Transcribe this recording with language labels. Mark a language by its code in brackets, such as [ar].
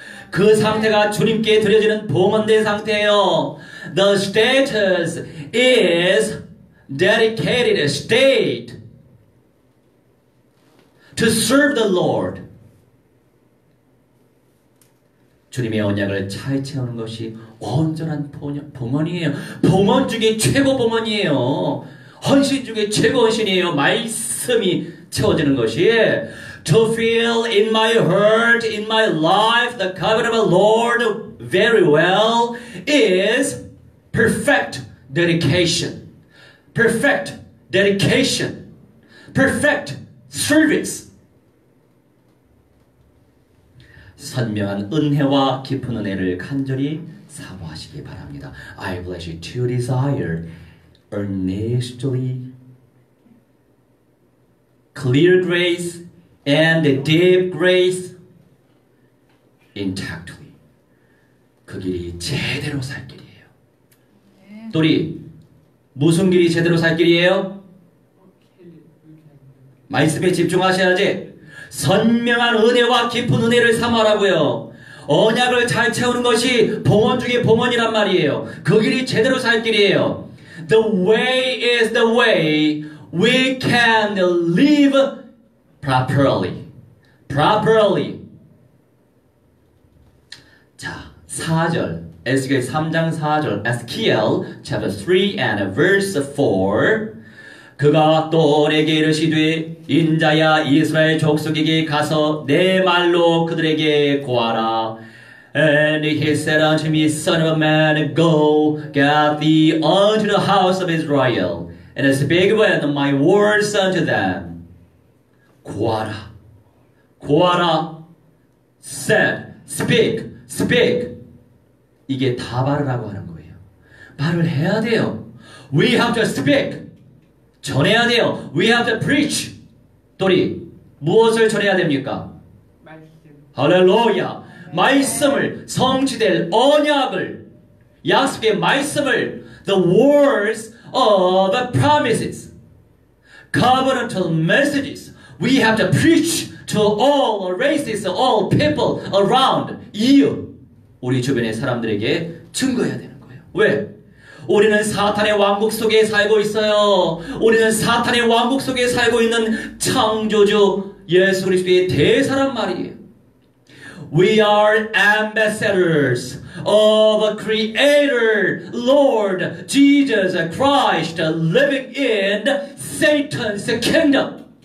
[ko] 그 상태가 주님께 드려지는 봉헌된 상태예요. [en] The status is dedicated state to serve the Lord. [ko] 주님의 언약을 차에 채우는 것이 온전한 봉헌이에요. 봉헌 중에 최고 봉헌이에요. 헌신 중에 최고 헌신이에요. 말씀이 채워지는 것이. [en] To feel in my heart, in my life, the covenant of the Lord very well is perfect dedication. Perfect dedication. Perfect service. [ko] 선명한 은혜와 깊은 은혜를 간절히 사모하시기 바랍니다. [en] I bless you to desire earnestly clear grace and deep grace intactly. [ko] 그 길이 제대로 살 길이에요. 또리, 무슨 길이 제대로 살 길이에요? 말씀에 집중하셔야지. 선명한 은혜와 깊은 은혜를 삼아라고요. 언약을 잘 채우는 것이 봉헌 중에 봉헌이란 말이에요. 그 길이 제대로 살 길이에요. [en] The way is the way we can live properly. Properly. [ko] 자, 4절. [en] Ezekiel [ko] 3장 4절. [en] Ezekiel chapter 3 and verse 4. [ko] 그가 또 내게 이르시되 인자야 이스라엘 족속에게 가서 내 말로 그들에게 고하라. [en] And he said unto me, Son of man, go, get thee unto the house of Israel, and speak with my words unto them. [ko] 고하라. 고하라. [en] Said. Speak. Speak. [ko] 이게 다 말하라고 하는 거예요. 말을 해야 돼요. [en] We have to speak. [ko] 전해야 돼요. [en] We have to preach. [ko] 또리, 무엇을 전해야 됩니까? 말씀. 할렐루야. 네. 말씀을, 성취될 언약을, 약속의 말씀을, [en] the words of the promises, covenantal messages, we have to preach to all races, all people around you. [ko] 우리 주변의 사람들에게 증거해야 되는 거예요. 왜? 우리는 사탄의 왕국 속에 살고 있어요. 우리는 사탄의 왕국 속에 살고 있는 창조주 예수 그리스도의 대사란 말이에요. [en] We are ambassadors of Creator Lord Jesus Christ living in Satan's kingdom.